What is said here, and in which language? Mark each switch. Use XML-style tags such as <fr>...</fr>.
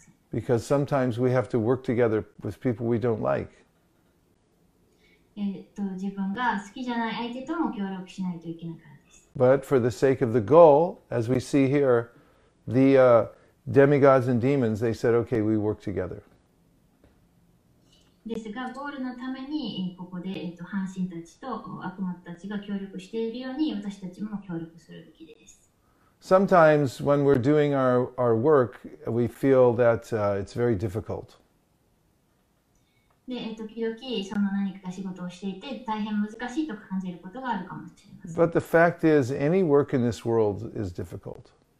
<en>Because sometimes we have to work together with people we don't like.</en> <ja>自分が好きじゃない相手とも協力しないといけないからです。</ja> <en>But for the sake of the goal, as we see here, the、demigods and demons, they said, okay, we work together.</en> <ja>ですが、ゴールのために、ここで、半神たちと悪魔たちが協力しているように、私たちも協力するべきです。</ja> <en>Sometimes when we're doing our work, we feel that it's very difficult. But the fact is, any work in this world is difficult.</en>